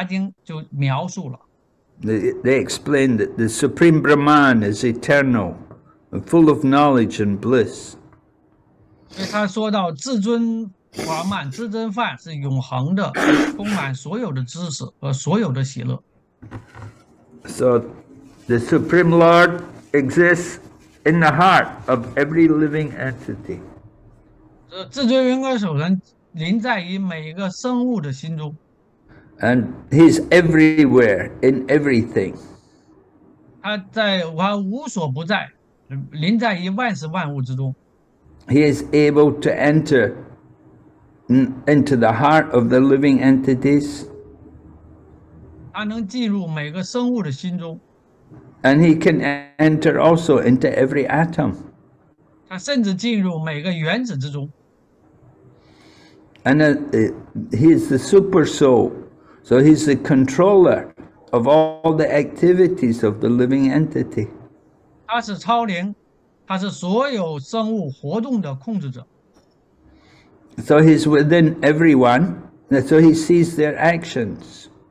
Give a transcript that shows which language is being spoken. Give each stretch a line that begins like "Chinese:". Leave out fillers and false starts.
Chinese: 所以根据不同的这个奥义书的各个部分，伟达经就描述了。
English: They explained that the Supreme Brahman is eternal, full of knowledge and bliss.
Chinese: 所以他说到至尊法满，至尊法是永恒的，充满所有的知识和所有的喜乐。
English: So the Supreme Lord exists in the heart of every living entity.
Chinese: 这至尊人格首人 临在于每一个生物的心中,
English: and he's everywhere in everything.
Chinese: 他无所不在, 临在于万事万物之中。
English: He is able to enter into the heart of the living entities.
Chinese: 他能进入每个生物的心中。
English: And he can enter also into every atom.
Chinese: 他甚至进入每个原子之中。
English: And he's the super soul, so he's the controller of all the activities of the living entity.
Chinese: 他是超灵, 他是所有生物活动的控制者。
English: So he's within everyone, and so he sees their actions.